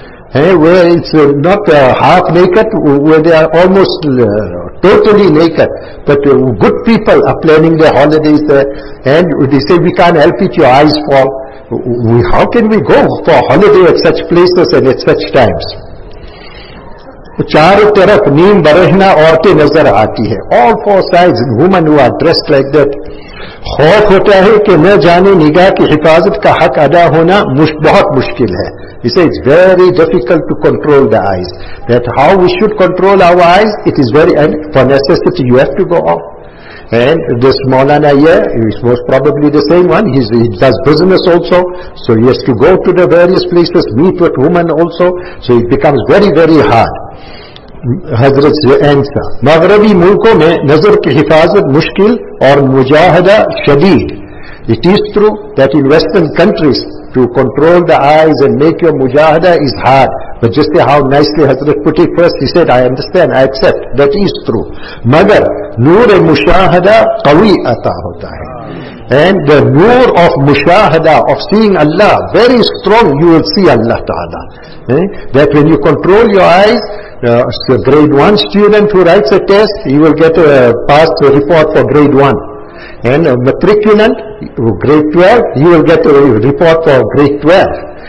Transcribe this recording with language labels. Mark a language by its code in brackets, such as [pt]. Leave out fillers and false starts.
[en] Where it's not half naked, where they are almost totally naked, but good people are planning their holidays there, and they say, we can't help it, your eyes fall. How can we go for holiday at such places and at such times? [ur] Charo taraf neem barehna aurte nazar aati hai. [en] All four sides, women who are dressed like that. [ur] خوف ہوتا ہے کہ میں جانے نگاہ کی حفاظت کا حق ادا ہونا بہت مشکل ہے. [en] He says, it's very difficult to control the eyes. That how we should control our eyes, it is very, and for necessity you have to go off. And this Maulana here, he is most probably the same one, he does business also, so he has to go to the various places, meet with women also, so it becomes very, very hard. حضرت answer. [ur] مغربی ملکوں میں نظر کی حفاظت مشکل اور مجاہدہ شدید. [en] It is true that in western countries to control the eyes and make your mujahada is hard. But just say how nicely Hazrat put it first. He said, I understand, I accept. That is true. [ur] مگر نور مشاہدہ قوی عطا ہوتا ہے. [en] And the nur of mushahada, of seeing Allah, very strong, you will see Allah Ta'ala. That when you control your eyes, a grade 1 student who writes a test, he will get a passed report for grade 1. And a matriculant, grade 12, he will get a report for grade 12.